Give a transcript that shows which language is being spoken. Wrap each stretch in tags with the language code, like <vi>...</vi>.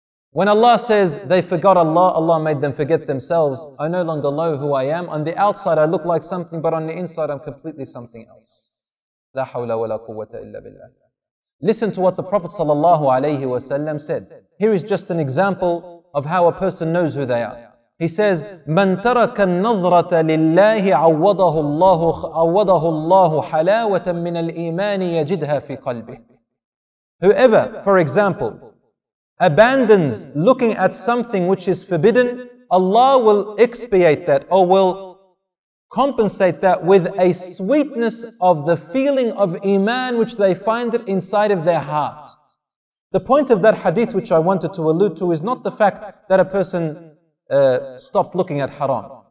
<en>When Allah says, they forgot Allah, Allah made them forget themselves. I no longer know who I am. On the outside I look like something, but on the inside I'm completely something else.</en> <ar>لا حول ولا قوة إلا بالله.</ar> <en>Listen to what the Prophet sallallahu alayhi wa sallam said. Here is just an example of how a person knows who they are. He says,</en> <ar>من ترك النظرة لله عوضه الله حلاوة من الإيمان يجدها في قلبه.</ar> <en>Whoever, for example, abandons looking at something which is forbidden, Allah will expiate that or will compensate that with a sweetness of the feeling of iman which they find it inside of their heart. The point of that hadith which I wanted to allude to is not the fact that a person stopped looking at haram.</en>